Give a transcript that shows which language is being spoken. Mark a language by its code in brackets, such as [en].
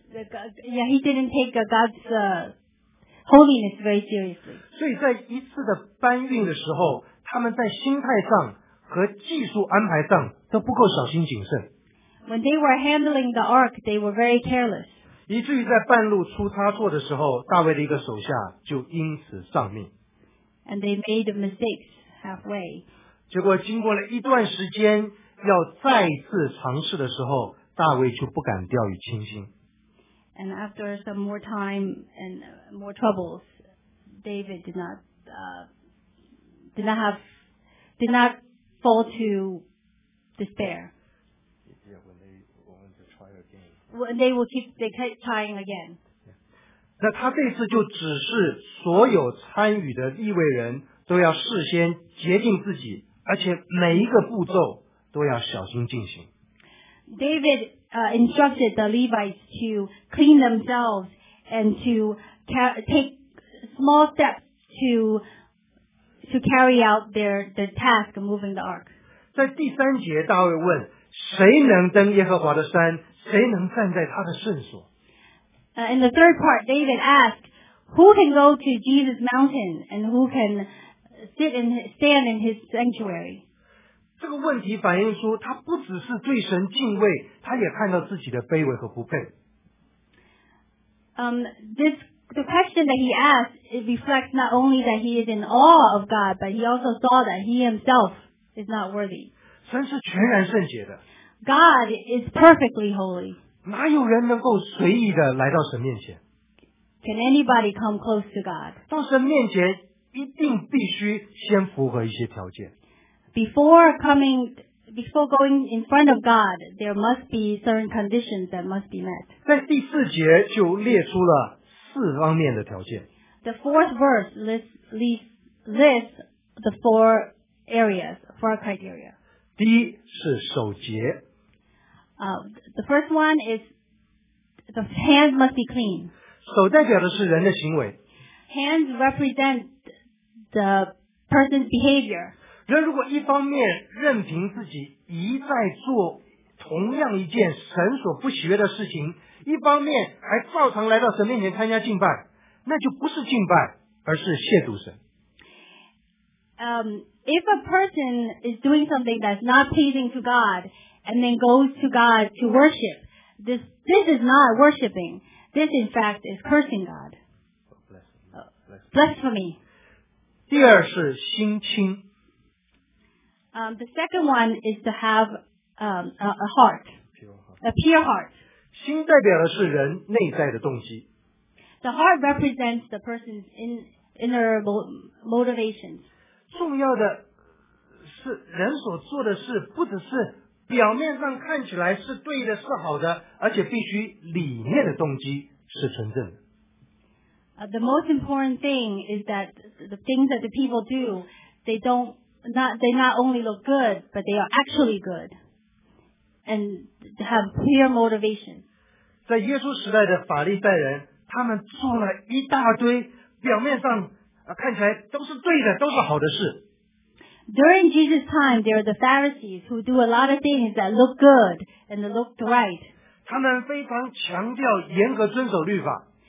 [en] He didn't take God's holiness very seriously. [zh] 所以在一次的搬运的时候，他们在心态上和技术安排上都不够小心谨慎。 [en] When they were handling the ark, they were very careless. [zh] 以至于在半路出差错的时候，大卫的一个手下就因此丧命。 [en] And they made mistakes halfway. [zh] 结果经过了一段时间要再次尝试的时候，大卫就不敢掉以轻心。 [en] And after some more time and more troubles, David did not fall to despair. Yeah, when they want to try again. When they will keep, they keep trying again. [zh] 那他这次就指示所有参与的立位人都要事先洁净自己，而且每一个步骤都要小心进行。 [en] David instructed the Levites to clean themselves and to take small steps to carry out their task of moving the ark. [zh] 在第三节，大卫问：谁能登耶和华的山？谁能站在他的圣所？ [en] In the third part, David asked, who can go to Jesus' mountain and who can stand in his sanctuary? [zh] 这个问题反映出他不只是对神敬畏，他也看到自己的卑微和不配。 [en] The question that he asked, it reflects not only that he is in awe of God, but he also saw that he himself is not worthy. [zh] 神是全然圣洁的。 [en] God is perfectly holy. [zh] 哪有人能够随意的来到神面前？ [en] Can anybody come close to God? [zh] 到神面前一定必须先符合一些条件。 [en] Before going in front of God, there must be certain conditions that must be met. [zh] 在第四节就列出了四方面的条件。 [en] The fourth verse lists the four areas, four criteria. [zh] 第一是守节。 [en] The first one is the hands must be clean. [zh] 手代表的是人的行为。 [en] Hands represent the person's behavior. [zh] 人如果一方面任凭自己一再做同样一件神所不喜悦的事情，一方面还照常来到神面前参加敬拜，那就不是敬拜，而是亵渎神。 [en] If a person is doing something that's not pleasing to God,and then goes to God to worship. This is not worshiping. This, in fact, is cursing God. Blasphemy. [zh] 第二是心清。 [en] The second one is to have a heart. Pure heart. [zh] 心代表的是人内在的动机。 [en] The heart represents the person's inner motivations. [zh] 重要的是人所做的事不只是表面上看起来是对的是好的，而且必须里面的动机是纯正的。 [en] The most important thing is that the things that the people do, they not only look good, but they are actually good and have clear motivation. [zh] 在耶稣时代的法利赛人，他们做了一大堆表面上看起来都是对的，都是好的事。 [en] During Jesus' time, there are the Pharisees who do a lot of things that look good and look right. [zh] 他们非常强调严格遵守律法。